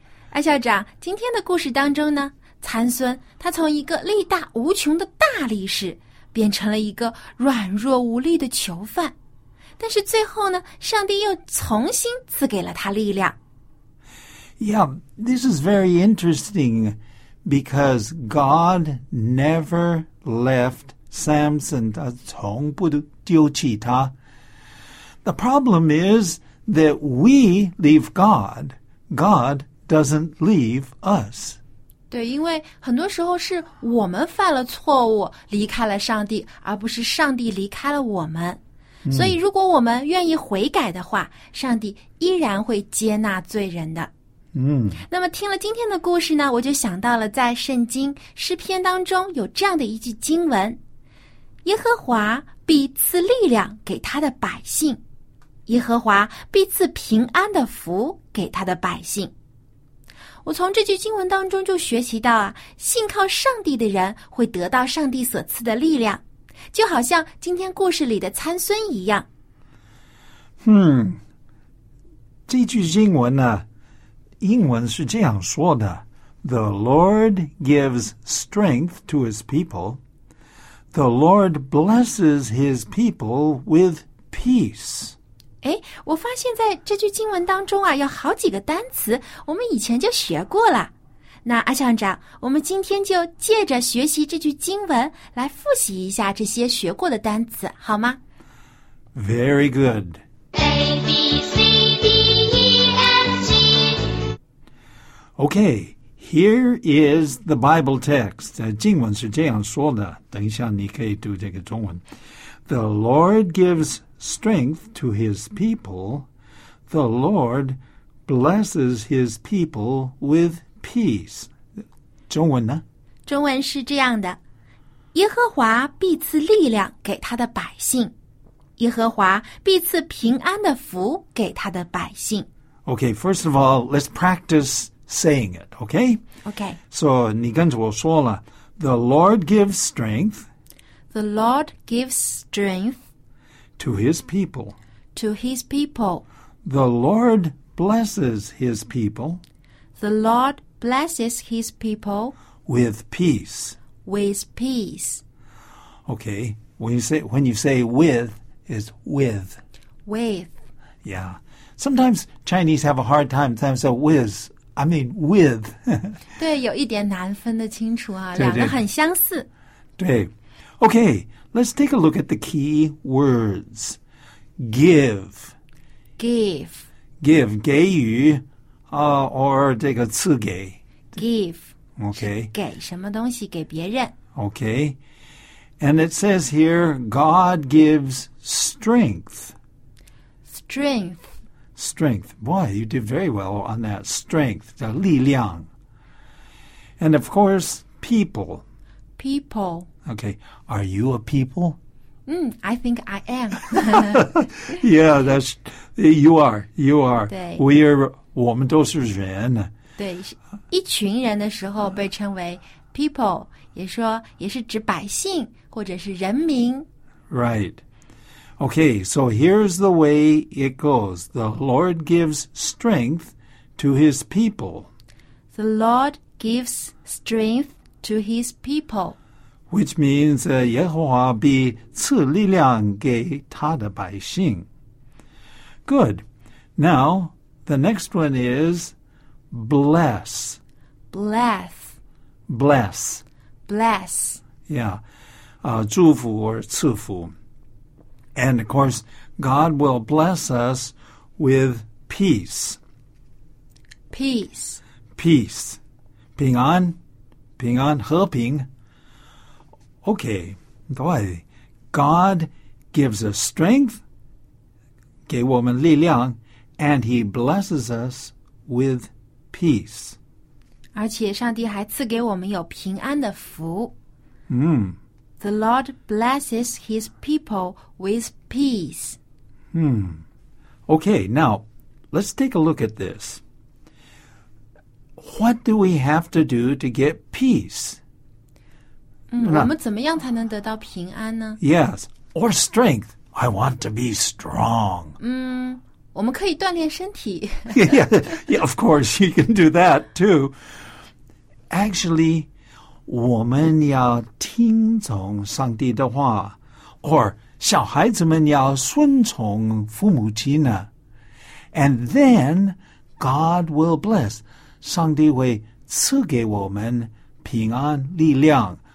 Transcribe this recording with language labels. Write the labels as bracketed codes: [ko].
[zh] 艾校长，今天的故事当中呢，参孙他从一个力大无穷的大力士变成了一个软弱无力的囚犯，但是最后呢，上帝又重新赐给了他力量。 [en] Yeah, this is very interesting because God never left Samson. [zh] 他从不丢弃他。 [en] The problem is that we leave God. God doesn't leave us. [zh] 对，因为很多时候是我们犯了错误，离开了上帝，而不是上帝离开了我们。所以如果我们愿意悔改的话，上帝依然会接纳罪人的。那么听了今天的故事呢，我就想到了在圣经诗篇当中有这样的一句经文，耶和华必赐力量给他的百姓，耶和华必赐平安的福给他的百姓。我从这句经文当中就学习到啊，信靠上帝的人会得到上帝所赐的力量，就好像今天故事里的参孙一样。这句经文呢，英文是这样说的， [en] The Lord gives strength to his people. The Lord blesses his people with peace. [zh] 诶，我发现在这句经文当中啊，有好几个单词我们以前就学过了。那阿校长，我们今天就借着学习这句经文来复习一下这些学过的单词，好吗？ [en] Very good. A, B, C, D, E, F, G. Okay, here is the Bible text. [zh] 经文是这样说的，等一下你可以读这个中文。 [en] The Lord gives strength to his people. The Lord blesses his people with peace. [zh] Peace, 中文呢？中文是这样的：耶和华必赐力量给他的百姓，耶和华必赐平安的福给他的百姓。 [en] Okay, first of all, let's practice saying it. Okay. Okay. So [zh] 你跟着我说了 [en] ，The Lord gives strength. The Lord gives strength to His people. To His people. The Lord blesses His people. The Lord. Blesses his people with peace. With peace. Okay. When you say with, it's with. With. Yeah. Sometimes Chinese have a hard time. Sometimes say with. I mean with. [zh] 对，有一点难分得清楚啊，两个很相似。对。Okay. [en] Let's take a look at the key words. Give. Give. [zh] Give. 给予。Or 这个赐给 [en] Give Okay [zh] 给什么东西给别人 [en] Okay And it says here God gives strength Strength Strength Boy, you did very well on that Strength [zh] 叫力量 [en] And of course People People Okay Are you a people? I think I am Yeah, that's You are [zh] 对 [en] We are [zh] 我们都是人。对，一群人的时候被称为 people， 也是指百姓或者是人民。 [en] Right. Okay, so here's the way it goes. The Lord gives strength to his people. The Lord gives strength to his people. Which means [zh] 耶和华必赐力量给他的百姓。 [en] Good. Now,The next one is bless. Bless. Bless. Bless. Yeah. 祝福 or 赐福 And of course, God will bless us with peace. Peace. Peace. [zh] 平安平安和平 Okay. [en] 对 God gives us strength. [zh] 给我们力量 [en] And he blesses us with peace. [zh] 而且上帝还赐给我们有平安的福。 [en] The Lord blesses his people with peace. Okay, now, let's take a look at this. What do we have to do to get peace? [zh] 我们怎么样才能得到平安呢? [en] Yes, or strength. I want to be strong. [zh] 我们可以锻炼身体。 [en] yeah, of course, you can do that too. [zh] Actually, 我们要听从上帝的话 or 小孩子们要顺从父母亲呢 [en] And then God will bless. [zh] 上帝会赐给我们平安力量。